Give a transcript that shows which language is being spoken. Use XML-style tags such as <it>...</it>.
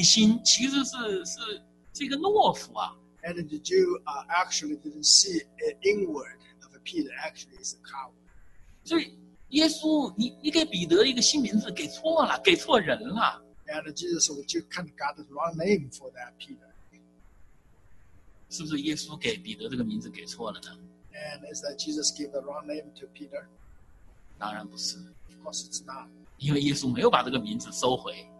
<zh>你是不是没有看到彼得内心其实是这个懦夫啊？</zh> <en>And did you actually didn't see an inward of Peter actually is a coward?</en> <zh>所以耶稣，你给彼得一个新名字，给错了，给错人了。</zh> <en>And Jesus, would you kind of got the wrong name for that Peter?</en> <zh>是不是耶稣给彼得这个名字给错了呢？</zh> <en>And is that Jesus gave the wrong name to Peter?</en> <zh>当然不是。</zh> <en>Of course it's not.</en> <zh>因为耶稣没有把这个名字收回。</zh>